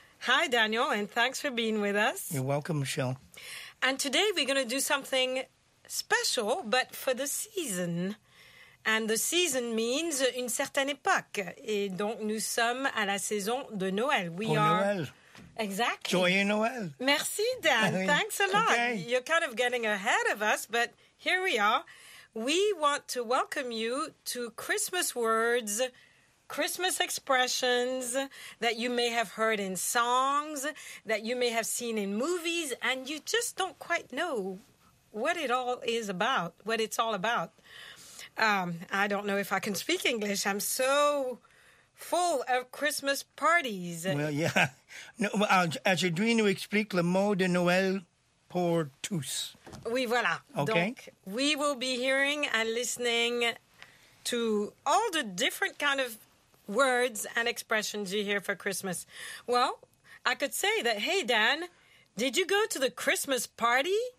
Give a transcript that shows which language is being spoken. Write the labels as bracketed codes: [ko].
[en] Hi, Daniel, and thanks for being with us. You're welcome, Michel. And today we're going to do something special, but for the season. And the season means [fr] une certaine époque. Et donc, nous sommes à la saison de Noël. Noël. [en] Exactly. [fr] Joyeux Noël. Merci, Dan. Oui. [en] Thanks a lot. Okay. You're kind of getting ahead of us, but here we are. We want to welcome you to Christmas words, Christmas expressions that you may have heard in songs, that you may have seen in movies, and you just don't quite know what it all is about, what it's all about. I don't know if I can speak English. I'm so full of Christmas parties. Well, yeah. No, as [fr] je dois nous expliquer le mot de Noël pour tous. Oui, voilà. [en] Okay. [fr] Donc, [en] we will be hearing and listening to all the different kind of words and expressions you hear for Christmas. Well, I could say that, hey, Dan, did you go to the Christmas party?